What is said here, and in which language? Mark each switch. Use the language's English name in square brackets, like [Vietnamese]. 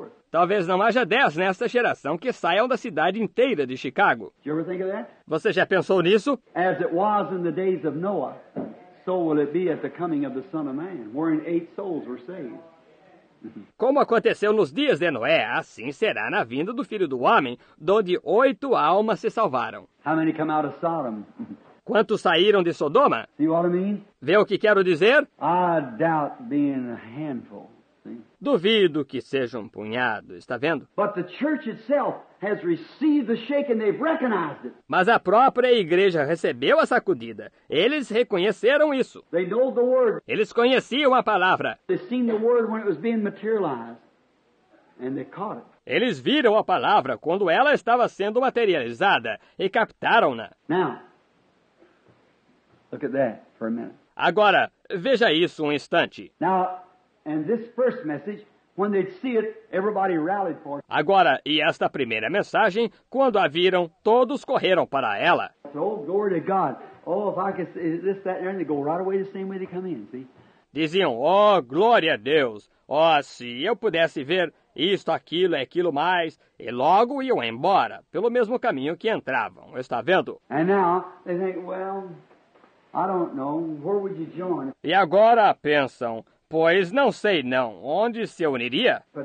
[Portuguese] Talvez não haja 10 nesta geração que saiam da cidade inteira de Chicago. [English] Did you ever think of that? [Portuguese] Você já pensou nisso? [English] As it was in the days of Noah, so will it be at the coming of the Son of Man, wherein 8 souls were saved. [Portuguese] Como aconteceu nos dias de Noé, assim será na vinda do Filho do Homem, onde 8 almas se salvaram. [English] How many come out of Sodom? [Portuguese] Quantos saíram de Sodoma? [English] See what I mean? [Portuguese] Vê o que quero dizer? [English] I doubt being a handful, see? [Portuguese] Duvido que seja um punhado, está vendo? [English] But the church itself has received the shake and they've recognized it. [Portuguese] Mas a própria igreja recebeu a sacudida. Eles reconheceram isso. [English] They know the word. [Portuguese] Eles conheciam a palavra. [English] They seen the word when it was being materialized and they caught it. [Portuguese] Eles viram a palavra quando ela estava sendo materializada e captaram-na. [English] Now, look at that for a minute. [Portuguese] Agora, veja isso um instante. [English] Now, and this first message, when they'd see it, everybody rallied for it. [Portuguese] Agora, e esta primeira mensagem, quando a viram, todos correram para ela. [English] Oh, glory to God. Oh, if I could see this, that, and they go right away the same way they come in, see? [Portuguese] Diziam, oh, glória a Deus. Oh, se eu pudesse ver isto, aquilo, aquilo mais. E logo iam embora, pelo mesmo caminho que entravam. Está vendo? [English] And now, they think, well, I don't know. Where would you join? [Portuguese] E agora pensam, pois não sei não, onde se uniria?